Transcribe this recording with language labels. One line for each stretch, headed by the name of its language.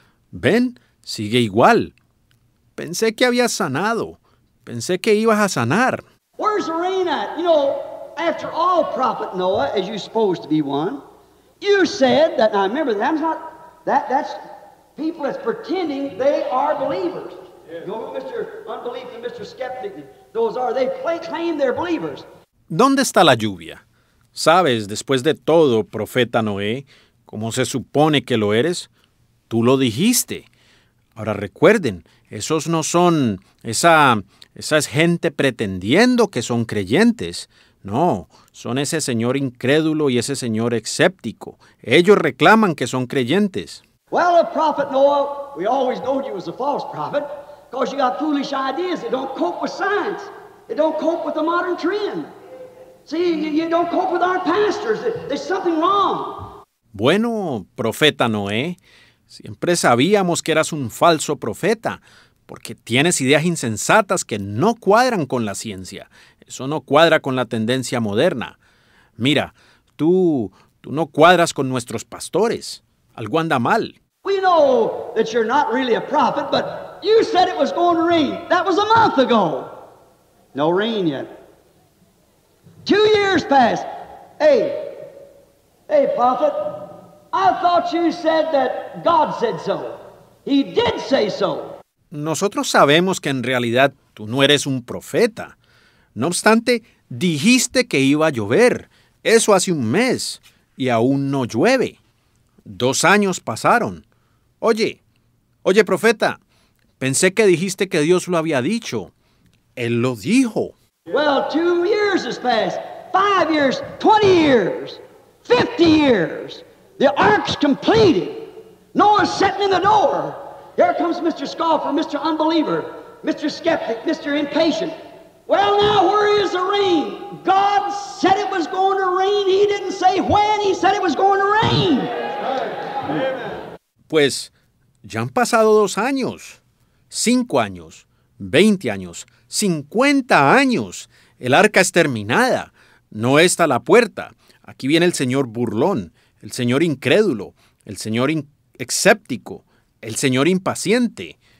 Spanish: Ven, sigue igual. Pensé que habías sanado. Pensé que ibas a sanar.
English: Where's the rain at? You know, after all, Prophet Noah, as you're supposed to be one, you said that, now remember, that's people that's pretending they are believers. Yeah. You know, Mr. Unbelief and Mr. Skeptic, those are, they claim they're believers.
Spanish: ¿Dónde está la lluvia? Sabes, después de todo, profeta Noé, como se supone que lo eres, tú lo dijiste. Ahora recuerden, esos no son, esa es gente pretendiendo que son creyentes. No, son ese señor incrédulo y ese señor escéptico. Ellos reclaman que son creyentes.
English: Well, a prophet Noah, we always know you was a false prophet, because you got foolish ideas that don't cope with science. They don't cope with the modern trend. See, you don't cope with our pastors. There's something wrong.
Spanish: Bueno, profeta Noé, siempre sabíamos que eras un falso profeta, porque tienes ideas insensatas que no cuadran con la ciencia. Eso no cuadra con la tendencia moderna. Mira, tú no cuadras con nuestros pastores. Algo anda mal.
English: We know that you're not really a prophet, but you said it was going to rain. That was a month ago. No rain yet. 2 years passed. Hey, prophet, I thought you said that God said so. He did say so.
Spanish: nosotros sabemos que en realidad tú no eres un profeta. No obstante, dijiste que iba a llover. Eso hace un mes, y aún no llueve. 2 años pasaron. Oye, profeta, pensé que dijiste que Dios lo había dicho. Él lo dijo.
English: Well, 2 years has passed. 5 years, 20 years, 50 years. The ark's completed. Noah's sitting in the door. Here comes Mr. Scoffer, Mr. Unbeliever, Mr. Skeptic, Mr. Impatient. Well, now, where is the rain? God said it was going to rain. He didn't say when. He said it was going to rain.
Spanish: Pues, ya han pasado 2 años, 5 años, 20 años, 50 años. El arca es terminada. No está la puerta. Aquí viene el señor burlón, el señor incrédulo, el señor escéptico, el señor impaciente.